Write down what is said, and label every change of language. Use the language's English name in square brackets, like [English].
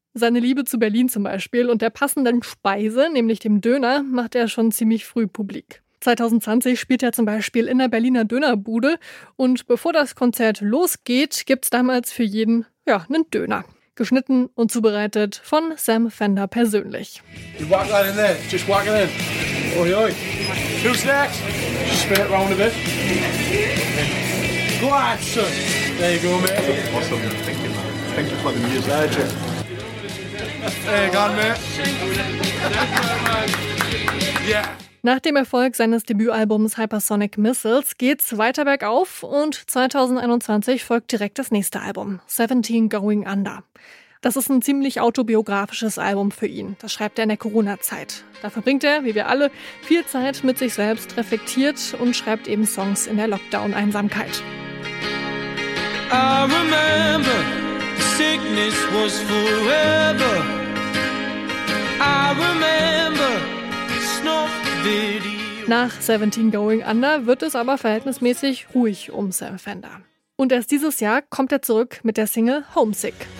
[German] Seine Liebe zu Berlin zum Beispiel und der passenden Speise, nämlich dem Döner, macht er schon ziemlich früh publik. 2020 spielt er zum Beispiel in der Berliner Dönerbude und bevor das Konzert losgeht, gibt's damals für jeden, ja, einen Döner. Geschnitten und zubereitet von Sam Fender persönlich. [English] You walk right in there, just walk it in. Oi, oi. Two snacks. Just spin it round a bit. Go on, son. There you go, mate. Awesome. Thank you, man. Thank you for the music. There you go, mate. Yeah. [German] Nach dem Erfolg seines Debütalbums Hypersonic Missiles geht's weiter bergauf und 2021 folgt direkt das nächste Album, 17 Going Under. Das ist ein ziemlich autobiografisches Album für ihn. Das schreibt er in der Corona-Zeit. Da verbringt er, wie wir alle, viel Zeit mit sich selbst, reflektiert und schreibt eben Songs in der Lockdown-Einsamkeit. [English] I remember, sickness was forever. I remember, snow. [German] Nach 17 Going Under wird es aber verhältnismäßig ruhig um Sam Fender. Und erst dieses Jahr kommt er zurück mit der Single Homesick.